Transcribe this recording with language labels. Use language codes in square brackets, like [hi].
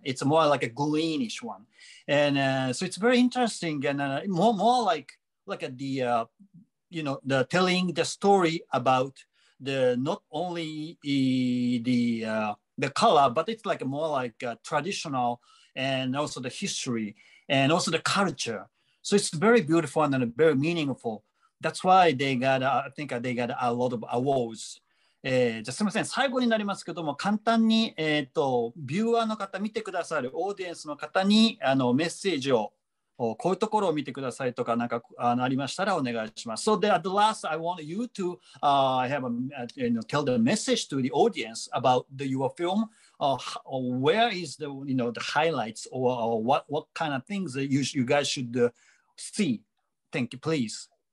[en] It's more like a greenish one. And so it's very interesting and more like the, you know, the telling the story about the, not only the color, but it's like more like traditional and also the history and also the culture. So it's very beautiful and very meaningful. That's why they got, I think they got a lot of awards. [ja] じゃあすみません、最後になりますけども、簡単に、ビューアーの方、見てくださるオーディエンスの方にあのメッセージを、こういうところを見てくださいとか、なんかありましたらお願いします。 [en] So, at the last, I want you to you know, tell the message to the audience about your film. Where is the, you know, the highlights or what kind of things that you guys should see? Thank you, please.